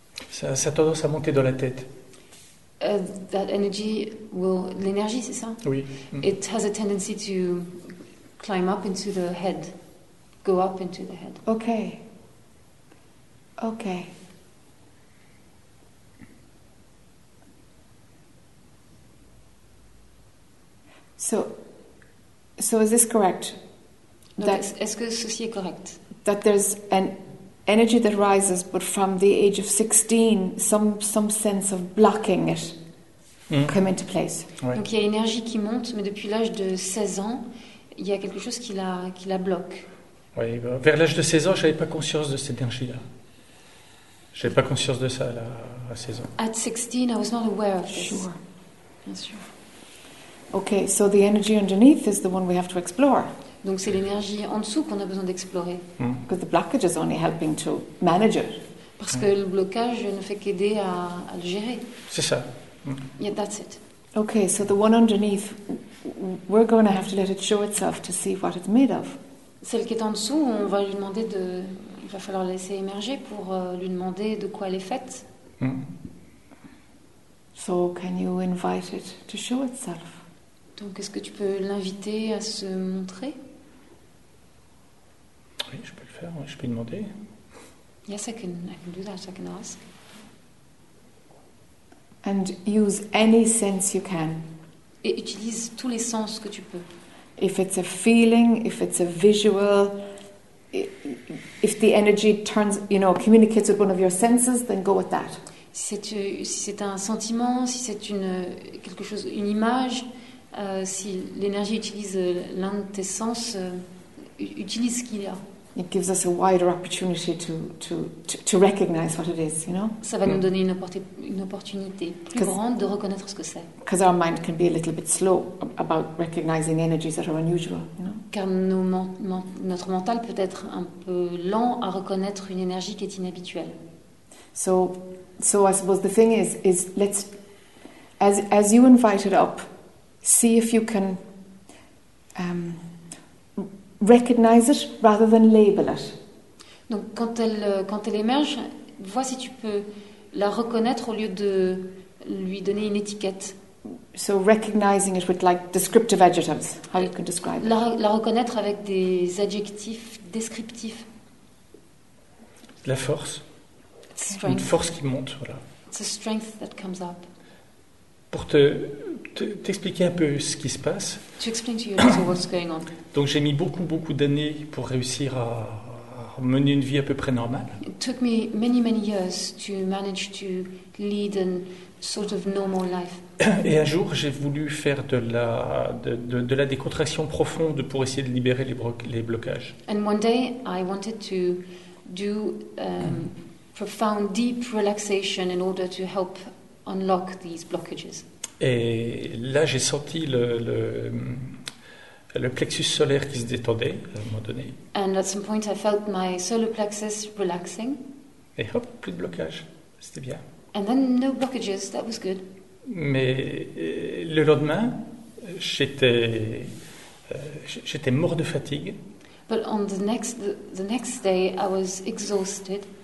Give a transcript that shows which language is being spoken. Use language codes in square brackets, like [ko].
[fr] Ça a tendance à monter dans la tête. [en] That energy will [fr] l'énergie, c'est ça? Oui. [en] It has a tendency to climb up into the head, go up into the head. Okay. Okay. So is this correct? No, that [fr] est-ce que ceci est correct? [en] That there's an energy that rises, but from the age of 16, some sense of blocking it come into place. [fr] Oui. Donc il y a énergie qui monte, mais depuis l'âge de 16 ans, il y a quelque chose qui la bloque. Oui, vers l'âge de 16 ans, je n'avais pas conscience de cette énergie-là. Je n'avais pas conscience de ça là, à 16 ans. [en] At 16, I was not aware of this. Sure. [fr] Bien sûr. [en] Okay, so the energy underneath is the one we have to explore. [fr] Donc c'est l'énergie en dessous qu'on a besoin d'explorer. Mm. [en] Because the blockage is only helping to manage it. [fr] Parce que le blocage ne fait qu'aider à le gérer. C'est ça. [en] Mm. Yeah, that's it. Okay, so the one underneath, we're going to have to let it show itself to see what it's made of. [fr] Celle qui est en dessous, on va lui demander de. Il va falloir laisser émerger pour lui demander de quoi elle est faite. Mm. [en] So can you invite it to show itself? [fr] Donc, est-ce que tu peux l'inviter à se montrer? Oui, je peux le faire. Je peux lui demander. [en] Yes, I can do that. I can ask. And use any sense you can. [fr] Et utilise tous les sens que tu peux. [en] If it's a feeling, if it's a visual, if the energy turns, you know, communicates with one of your senses, then go with that. [fr] Si c'est un sentiment, si c'est une image. Si l'énergie utilise l'un de tes sens, utilise ce qu'il y a. [en] It gives us a wider opportunity to recognize what it is, you know. [fr] Ça va nous donner une opportunité plus grande de reconnaître ce que c'est. [en] Because our mind can be a little bit slow about recognizing energies that are unusual, you know. [fr] Car notre mental peut être un peu lent à reconnaître une énergie qui est inhabituelle. [en] So I suppose the thing is let's as you invite it up. See if you can recognize it rather than label it. [fr] Donc quand elle émerge, vois si tu peux la reconnaître au lieu de lui donner une étiquette. [en] So recognizing it with like descriptive adjectives, how you can describe it. [fr] La reconnaître avec des adjectifs descriptifs. La force. [en] Strength. [fr] Une force qui monte, voilà. [en] It's a strength that comes up. [fr] Pour t'expliquer un peu ce qui se passe. [en] To explain to you what's going on. [fr] Donc j'ai mis beaucoup d'années pour réussir à mener une vie à peu près normale. [en] It took me many years to manage to lead a sort of normal life. [fr] Et un jour, j'ai voulu faire de la décontraction profonde pour essayer de libérer les blocages. [en] And one day, I wanted to do profound deep relaxation in order to help unlock these blockages. [fr] Et là, j'ai senti le plexus solaire qui se détendait à un moment donné. [en] And at some point, I felt my solar plexus relaxing. [fr] Et hop, plus de blocage, c'était bien. [en] And then no blockages, that was good. [fr] Mais le lendemain, j'étais mort de fatigue. [en] But on the next day, I was exhausted.